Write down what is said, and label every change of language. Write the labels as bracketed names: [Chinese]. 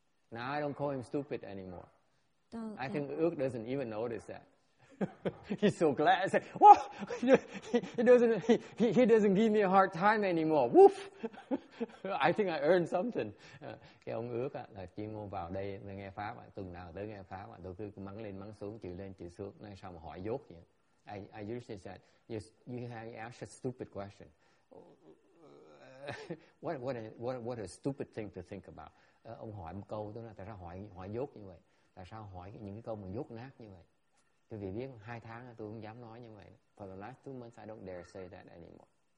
[English] Now I don't call him stupid anymore. I think Ước doesn't even notice that. He's so glad. I said, "Whoa! He doesn't give me a hard time anymore. Woof! I think I earned something." [Vietnamese] Cái ông Ước là chuyên môn vào đây nghe pháp. Tuần nào tới nghe pháp, tôi cứ mắng lên mắng xuống, chửi lên chửi xuống. Nói xong hỏi dốt vậy. [English] I usually said, "You ask a stupid question. What a stupid thing to think about." [Vietnamese] Ông hỏi một câu, tôi nói tại sao hỏi dốt như vậy, tại sao hỏi những cái câu mà dốt nát như vậy. Tôi vì biết 2 tháng tôi không dám nói như vậy. [English] For the last 2 months, I don't dare say that anymore.